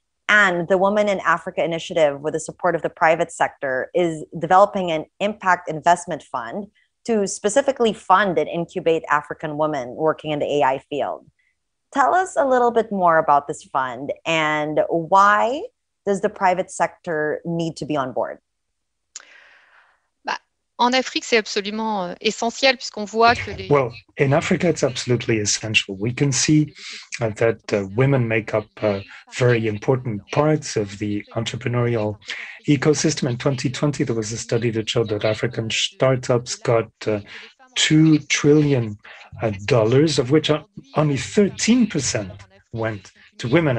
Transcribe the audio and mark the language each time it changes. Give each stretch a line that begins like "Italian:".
English: And the Women in Africa Initiative, with the support of the private sector, is developing an impact investment fund to specifically fund and incubate African women working in the AI field. Tell us a little bit more about this fund and why does the private sector need to be on board?
French: En Afrique, c'est absolument essentiel puisqu'on voit que les...
English: Well, in Africa, it's absolutely essential. We can see that women make up very important parts of the entrepreneurial ecosystem. In 2020, there was a study that showed that African startups got $2 trillion, of which only 13% went to women.